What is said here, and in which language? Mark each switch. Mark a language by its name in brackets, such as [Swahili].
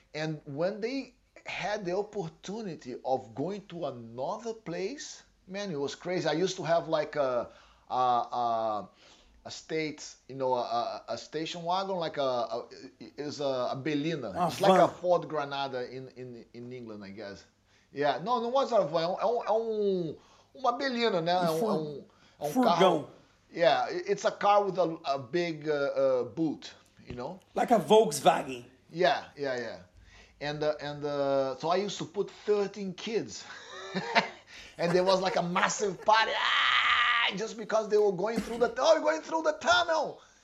[English] And when they had the opportunity of going to another place, man, it was crazy. I used to have like a state, you know, a station wagon, like a Belina, it's like a Ford Granada in England, I guess. Yeah, não was a van, [Portuguese] uma Belina, né? É um furgão. Carro. [English] Yeah, it's a car with a big boot, you know? Like a Volkswagen. Yeah. And so I used to put 13 kids. And there was like a massive party, just because they were going through the tunnel. Oh, going through the tunnel!